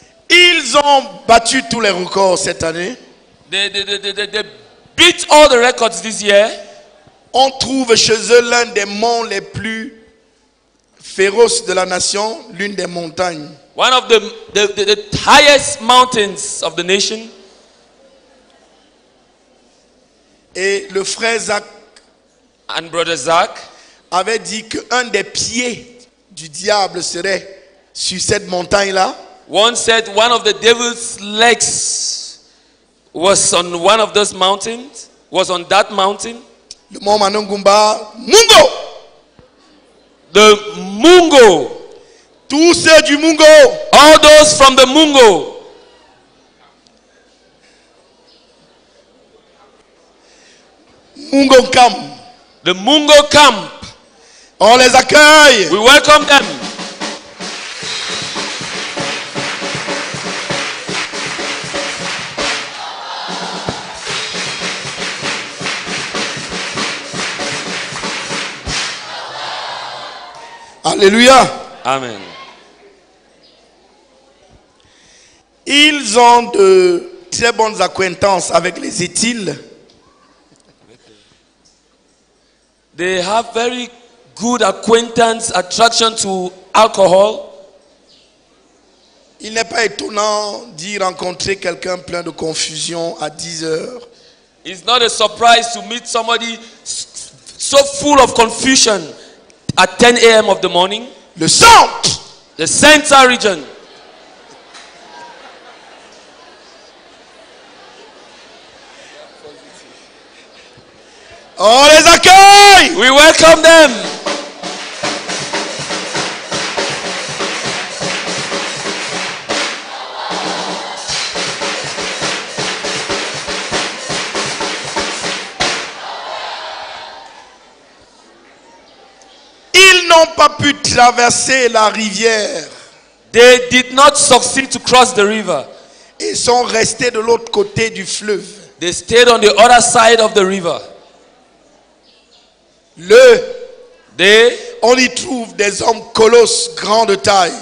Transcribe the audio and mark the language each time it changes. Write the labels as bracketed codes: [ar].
[fr] Ils ont battu tous les records cette année. [en] They beat all the records this year. [fr] On trouve chez eux l'un des monts les plus féroces de la nation, l'une des montagnes. [en] One of the highest mountains of the nation. [fr] Et le frère Zach, [en] and brother Zach, [fr] avait dit que un des pieds du diable serait sur cette montagne là. [en] One said one of the devil's legs was on one of those mountains, was on that mountain. [fr] Le mont Manungumba, Mungo. [en] The Mungo. [fr] Tous ceux du Mungo. [en] All those from the Mungo. [fr] Mungo Camp. [en] The Mungo Camp. [fr] On les accueille. [en] We welcome them. [fr] Alléluia. [en] Amen. [fr] Ils ont de très bonnes acquaintances avec les Éthiles. [en] They have very good acquaintance attraction to alcohol. [fr] Il n'est pas étonnant d'y rencontrer quelqu'un plein de confusion à 10 heures. [en] It's not a surprise to meet somebody so full of confusion at 10 a.m. of the morning. [fr] Le centre. [en] The center region. [fr] On les accueille. [en] We welcome them. [fr] Pas pu traverser la rivière. [en] They did not succeed to cross the river. [fr] Ils sont restés de l'autre côté du fleuve. [en] They stayed on the other side of the river. [fr] Le. [en] They. [fr] On y trouve des hommes colosses, grands de taille.